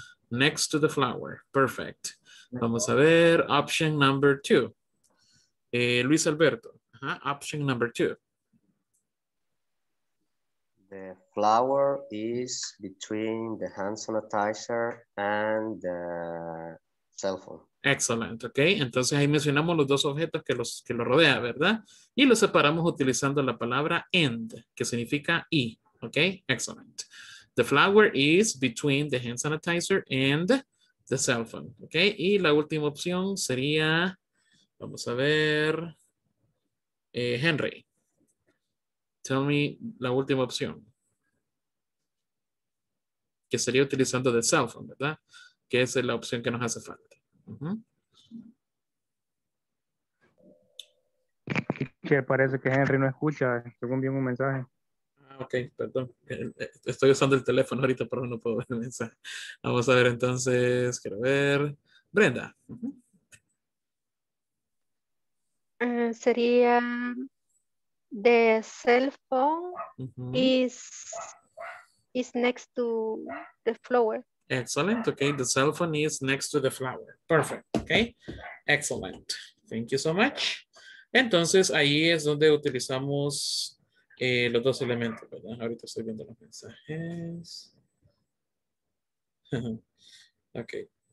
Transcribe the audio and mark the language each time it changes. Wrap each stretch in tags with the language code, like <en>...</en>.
<en>Next to the flower. Perfect.</en> <es>Vamos a ver</es> <en>option number two. Luis Alberto. Option number two. The flower is between the hand sanitizer and the cell phone.</en> <es>Excelente, ok. Entonces ahí mencionamos los dos objetos que lo rodea, ¿verdad? Y los separamos utilizando la palabra end, que significa y, ok. Excelente.</es> <en>The flower is between the hand sanitizer and the cell phone, ok.</en> <es>Y la última opción sería, vamos a ver, Henry.</es> <en>Tell me</en> <es>la última opción. Que sería utilizando</es> <en>the cell phone,</en> <es>¿verdad? Que esa es la opción que nos hace falta. Que parece que Henry no escucha, según bien un mensaje. Ah, ok, perdón. Estoy usando el teléfono ahorita, pero no puedo ver el mensaje. Vamos a ver entonces, quiero ver. Brenda.</es> <en>Sería the cell phone is next to the flower. Excellent, okay. The cell phone is next to the flower. Perfect, okay. Excellent. Thank you so much.</en> <es>Entonces, ahí es donde utilizamos los dos elementos, ¿verdad? Ahorita estoy viendo los mensajes.</es> <en>Okay.</en>